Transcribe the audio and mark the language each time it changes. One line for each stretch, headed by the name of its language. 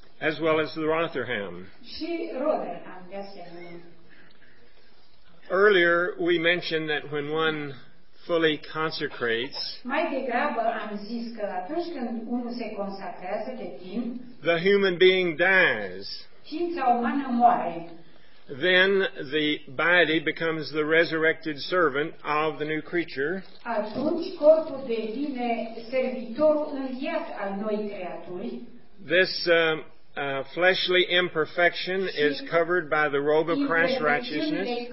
English: as well as the Rotherham.
Romanian: Și Rotherham, de asemenea.
English: Earlier, we mentioned that when one fully consecrates,
Romanian: mai degrabă am zis că atunci când unul se consacrează de timp,
English: the human being dies.
Romanian: Ființa umană moare.
English: Then the body becomes the resurrected servant of the new creature.
Romanian: Atunci corpul devine servitorul înviat al noii creaturi.
English: This fleshly imperfection is covered by the robe of Christ's righteousness.